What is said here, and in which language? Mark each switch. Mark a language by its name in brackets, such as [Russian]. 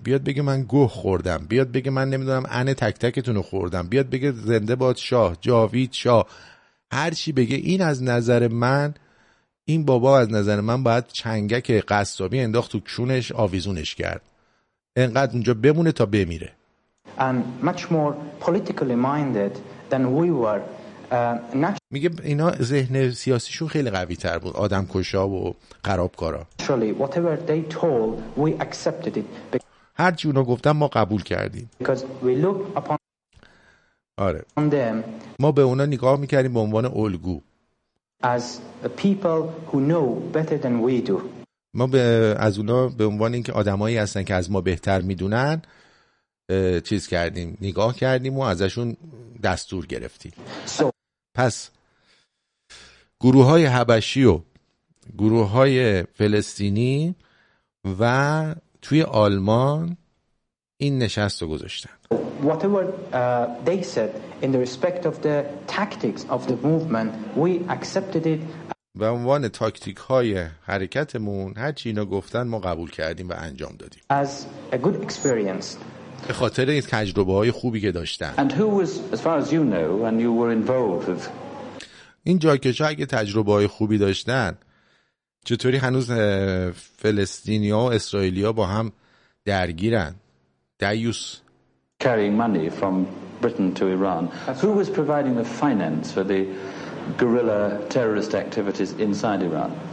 [Persian] بیاد بگه من گوه خوردم. بیاد بگه من نمیدونم ان تک تکتون رو خوردم. بیاد بگه زنده باد شاه، جاوید شاه. هر چی بگه این از نظر من، این بابا از نظر من باید چنگک قصابی انداخت تو کونش آویزونش کرد. انقدر اونجا بمونه تا بمیره. [English] And much more politically minded than we were. [Persian] میگه اینا ذهن سیاسیشون خیلی قوی تر بود، آدم کشا و خرابکارا. [English] Actually, whatever they told, we accepted it. [Persian] هر چی اونا گفتن ما قبول کردیم. [English] Because we look upon. [Persian] آره. [English] On them. [Persian] ما به اونا نگاه میکردیم به عنوان الگو. [English] As a people who know better than we do. [Persian] ما به از اونا به عنوان اینکه آدمایی هستن که از ما بهتر میدونن. چیز کردیم، نگاه کردیم و ازشون دستور گرفتیم. پس گروه های حبشی و گروه های فلسطینی و توی آلمان این نشست رو گذاشتن. [English] Whatever they said in the respect of the tactics of the movement, we accepted it. [Persian] و عنوان تاکتیک های حرکتمون هر چی اینا گفتن ما قبول کردیم و انجام دادیم. [English] As a good experience. [Persian] به خاطر این تجربه های خوبی که داشتن. [English] And who was, as far as you know, and you were involved with... [Persian] این جاکش ها اگه تجربه های خوبی داشتن چطوری هنوز فلسطینی ها و اسرائیلی ها با هم درگیرن؟ دیوس [English] carrying money from Britain to Iran. Who was providing the finance for the guerrilla terrorist activities inside Iran?